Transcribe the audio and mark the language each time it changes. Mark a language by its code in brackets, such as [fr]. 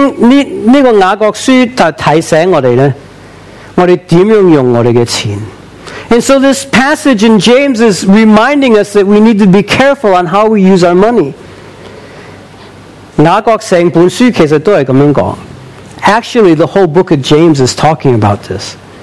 [zh] 所以我们看到这个雅各书提醒我们呢, 我们怎样用我们的钱? [en] And so this passage in James is reminding us that we need to be careful on how we use our money. [zh] 雅各整本书其实都是这样讲, [en] actually the whole book of James is talking about this.